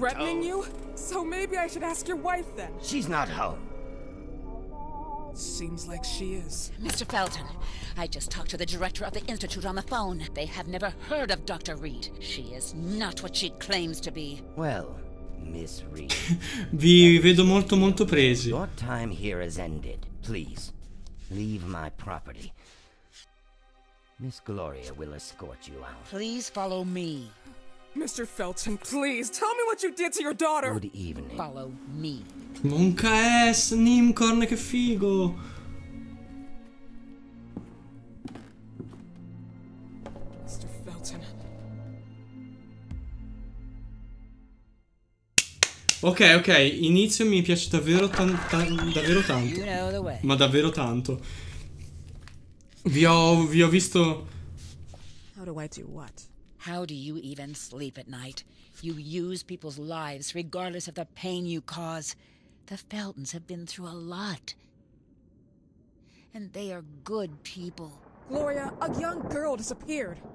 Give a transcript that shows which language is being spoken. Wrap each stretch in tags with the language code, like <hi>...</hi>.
<en>Threatening you? So maybe I should ask your wife then. She's not home. Seems like she is. Mr. Felton, I just talked to the director of the institute on the phone. They have never heard of Dr. Reed. She is not what she claims to be. Well, Miss Reed.</en> <it>Vi vedo molto molto presi.</it> <en>Your time here has ended. Please, leave my property. Miss Gloria will escort you out. Please follow me. Mr. Felton, please, tell me what you did to your daughter. Good evening. Follow me. Monca S, Nimcorn, che figo! Mr. Felton.</en> <it>Ok, ok, inizio mi piace davvero davvero tanto.</it> <en>You know the way.</en> <it>Ma davvero tanto. Vi ho visto...</it> <en>How do I do what? How do you even sleep at night? You use people's lives regardless of the pain you cause. The Feltons have been through a lot. And they are good people. Gloria, a young girl disappeared.</en>